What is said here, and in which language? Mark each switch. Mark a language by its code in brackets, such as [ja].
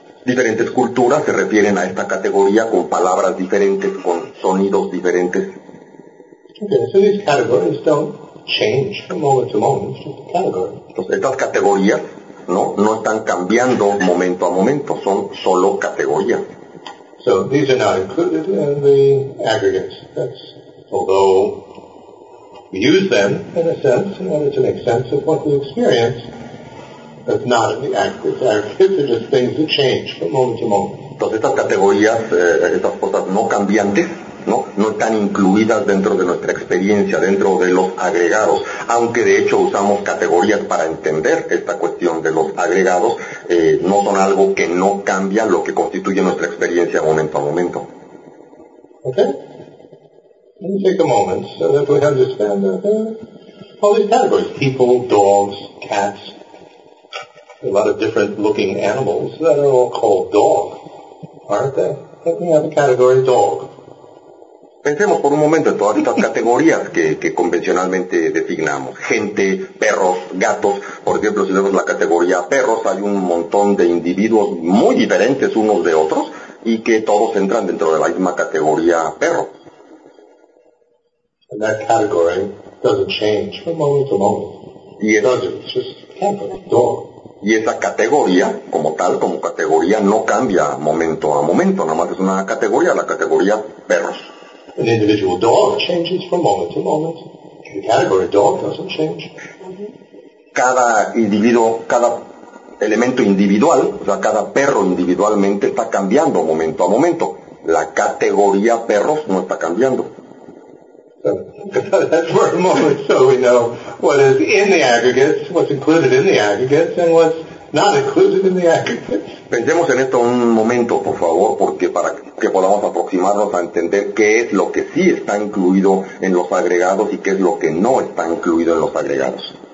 [es] Diferentes culturas se refieren a esta categoría con palabras diferentes, con sonidos diferentes. [en] Okay, so these categories don't change from moment to moment, it's just a category. [es] Entonces, estas categorías no están cambiando momento a momento, son solo categorías. [en] So these are not included in the aggregates. That's, although we use them in a sense in order to make sense of what we experience, that's not in the aggregates. Aggregates are just things that change from moment to moment. [es] Entonces estas categorías, estas cosas no cambiantes, no están incluidas dentro de nuestra experiencia, dentro de los agregados, aunque de hecho usamos categorías para entender esta cuestión de los agregados, no son algo que no cambia lo que constituye nuestra experiencia momento a momento. [en] Okay. Let me take a moment so that we understand all these categories. People, dogs, cats, a lot of different looking animals that are all called dog, aren't they? Let me have a category dog. [es] Pensemos por un momento en todas estas categorías que convencionalmente designamos. Gente, perros, gatos. Por ejemplo, si vemos la categoría perros, hay un montón de individuos muy diferentes unos de otros y que todos entran dentro de la misma categoría perro. [en] And that category doesn't change from moment to moment. [es] Y, [en] it's just dog. [es] Y esa categoría, como tal, como categoría, no cambia momento a momento. Nada más es una categoría, la categoría perros. [en] An individual dog changes from moment to moment. The category of dog doesn't change. [es] Cada individuo, cada elemento individual, o sea, cada perro individualmente está cambiando momento a momento. La categoría perros no está cambiando. [en] That's for a moment, so we know what is in the aggregates, what's included in the aggregates, and what's not included in the aggregates. [es] Pensemos en esto un momento, por favor, porque para que podamos aproximarnos a entender qué es lo que sí está incluido en los agregados y qué es lo que no está incluido en los agregados.